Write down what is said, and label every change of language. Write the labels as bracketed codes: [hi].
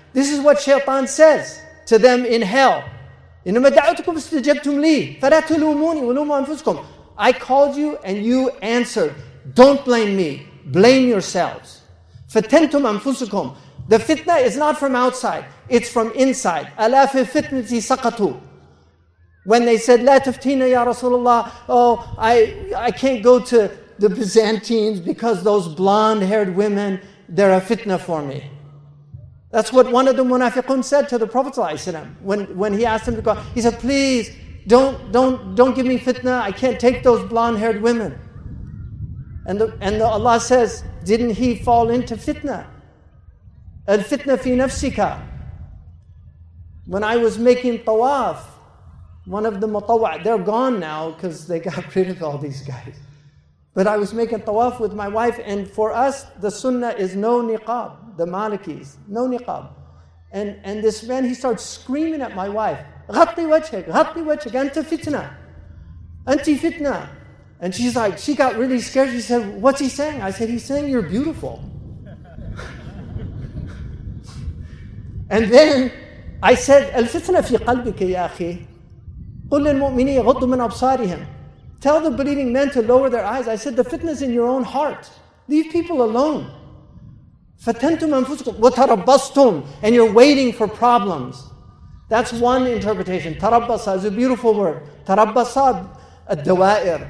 [en] This is what shaitan says to them in hell. [ar] إِنَّمَا دَعَوْتُكُمْ اسْتَجَبْتُمْ لِي فَلَا تُلُومُونِي وَلُومُوا أَنفُسُكُمْ. [en] I called you and you answered. Don't blame me. Blame yourselves. [ar] فَتَنْتُمْ أَنفُسُكُمْ. [en] The fitna is not from outside. It's from inside. [ar] أَلَا فِي فِتْنَةِ سَقَطُوا. [en] When they said, [ar] لَا تَفْتِينَ يَا رَسُولَ اللَّهِ. [en] Oh, I can't go to the Byzantines because those blonde-haired women, they're a fitna for me. That's what one of the munafiqun said to the Prophet when he asked him to go. He said, please, don't give me fitna. I can't take those blonde-haired women. And Allah says, didn't he fall into fitna? [ar] Al-fitna fi nafsika. [en] When I was making tawaf, one of the mutawwa, they're gone now because they got rid of all these guys. But I was making tawaf with my wife, and for us, the sunnah is no niqab, the Malikis, no niqab. And this man, he starts screaming at my wife, [ar] غطي وجهك, غطي وجهك, أنت فتنة, [en] أنت فتنة. And she's like, she got really scared. She said, what's he saying? I said, he's saying you're beautiful. And then I said, [ar] الفتنة في قلبك يا أخي. قل للمؤمنين غضوا من أبصارهم. [en] Tell the believing men to lower their eyes. I said, the fitness in your own heart. Leave people alone. [ar] فَتَنْتُمْ أَنفُسُكُمْ وَتَرَبَّصْتُمْ. [en] And you're waiting for problems. That's one interpretation. تَرَبَّصَ is a beautiful word. [ar] تَرَبَّصَ الدَّوَائِر.